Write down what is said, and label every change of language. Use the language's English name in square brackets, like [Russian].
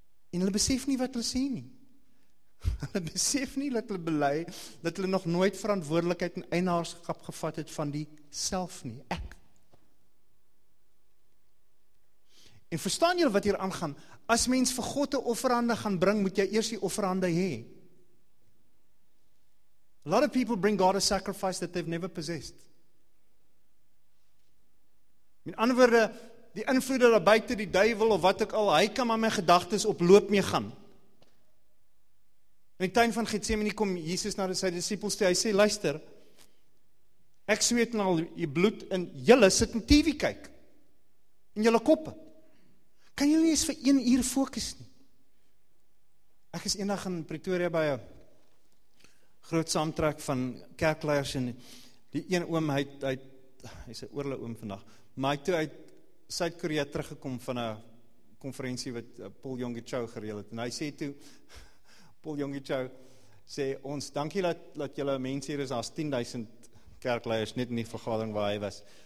[Afrikaans] En hulle besef nie wat hulle sê nie. Hulle besef nie dat hulle bely dat hulle nog nooit verantwoordelikheid en eienaarskap gevat het van die self nie. Ek. En verstaan julle wat hier aangaan? As mens vir God 'n offerande gaan bring, moet jy eers die offerande hê. [English] A lot of people bring God a sacrifice that they've never possessed. [Afrikaans] Met ander woorde, die invloede daar buite, die duivel of wat ook al, hy kan maar my gedagtes op loop mee gaan. In die tuin van Getsemane kom Jesus na sy disippels toe, hy sê, luister, ek sweet al die bloed en julle sit in TV kyk, in julle koppe. Kan julle nie eens vir 1 uur fokus nie? Ek is eendag in Pretoria by groot saamtrek van kerkleiers en die een oom, hy is 'n oorle oom vandag, maar hy toe uit Suid-Korea teruggekom van 'n konferensie wat Paul Yonggi Cho gereël het, en hy sê toe, Paul Yonggi Cho sê, ons dankie dat julle mense hier is, daar is 10,000 kerkleiers net in die vergadering waar hy was.